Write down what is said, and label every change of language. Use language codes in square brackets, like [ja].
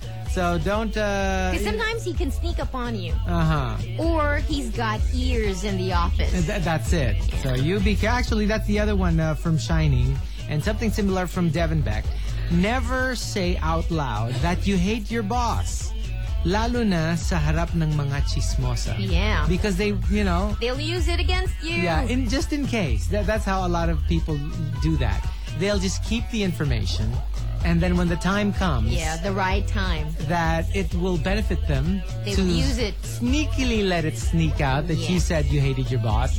[en] So don't... Because sometimes he can sneak up on you. Uh-huh. Or he's got ears in the office. That's it. Yeah. So you be... Actually, that's the other one from Shining. And something similar from Devin Beck. Never say out loud that you hate your boss. [tl] Lalo na sa harap ng mga chismosa. [en] Yeah. Because they, you know... They'll use it against you. Yeah, in, just in case. That's how a lot of people do that. They'll just keep the information. And then when the time comes... Yeah, the right time. That it will benefit them they'll to... use it. Sneakily let it sneak out that you said you hated your boss.